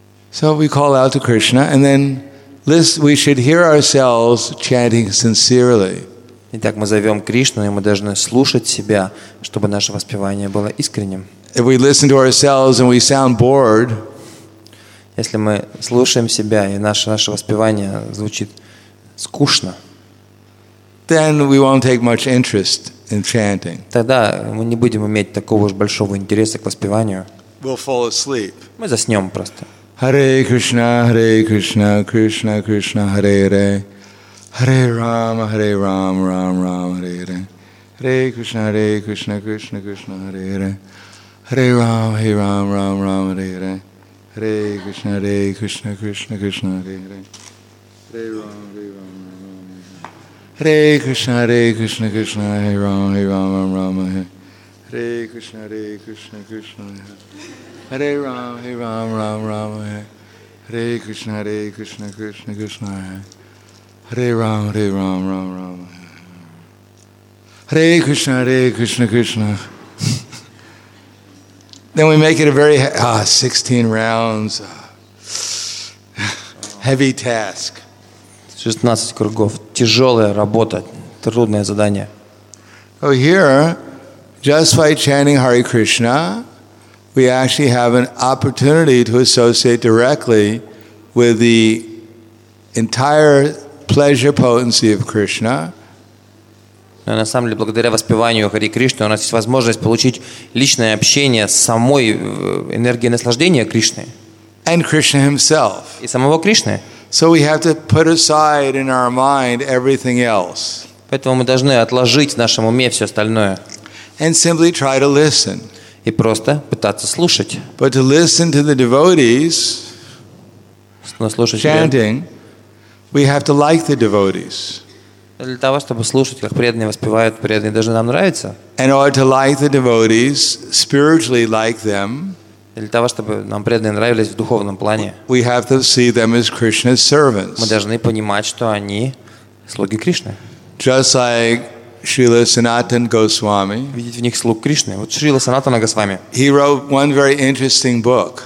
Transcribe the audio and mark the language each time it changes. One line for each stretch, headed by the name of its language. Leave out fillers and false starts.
English: So we call out to Krishna, and then we should hear ourselves chanting sincerely.
Russian: Итак, мы зовем Кришну, и мы должны слушать себя, чтобы наше воспевание было искренним.
English: If we listen to ourselves and we sound bored,
Russian: если мы слушаем себя и наше воспевание звучит скучно,
English: then we won't take much interest in chanting.
Russian: Тогда мы не будем иметь такого уж большого интереса к воспеванию.
English: We'll fall asleep.
Russian: Мы заснем просто.
Sanskrit: Hare Krishna, Krishna, Krishna, Hare Hare. Hare Rama, Hare Rama, Rama Rama, Hare Hare. Hare Krishna, Krishna, Krishna, Hare Hare. Hare Rama, Hare Rama, Rama Rama, Hare Hare. Hare Krishna, Krishna, Krishna, Hare Hare. Hare Rama, Hare Rama, Rama Rama, Hare Hare. Hare Krishna, Hare Krishna, Krishna, Hare Rama, Hare Rama, Rama Rama, Hare Hare. Hare Krishna, Hare Krishna, Krishna, Hare Hare Rama, Hare Rama, Rama Rama, Hare Krishna, Hare Krishna, Krishna Krishna, Hare Rama, Hare Rama, Rama Rama, Hare Krishna, Hare Krishna, Krishna.
English: Then we make it a very 16 rounds heavy task.
Russian: 16 кругов, тяжелая работа, трудное задание.
English: Oh, here, just by chanting Hare Krishna, we actually have an opportunity to associate directly with the entire pleasure potency of Krishna.
Russian: Но на самом деле, благодаря воспеванию Хари Кришны, у нас есть возможность получить личное общение с самой энергией наслаждения Кришны.
English: And Krishna himself.
Russian: И самого Кришны.
English: So we have to put aside in our mind everything else.
Russian: Поэтому мы должны отложить в нашем уме все остальное.
English: And simply try to listen.
Russian: И просто пытаться слушать.
English: But to listen to the devotees chanting, we have to like the devotees.
Russian: Для того, чтобы слушать, как преданные воспевают, преданные должны нам нравиться.
English: In order to like the devotees, spiritually like them,
Russian: для того, чтобы нам преданные нравились в духовном плане,
English: we have to see them as Krishna's servants.
Russian: Мы должны понимать, что они слуги Кришны.
English: Just like Srila Sanatan Goswami.
Russian: Видеть в них слуг Кришны. Вот Шрила Санатана Госвами.
English: He wrote one very interesting book.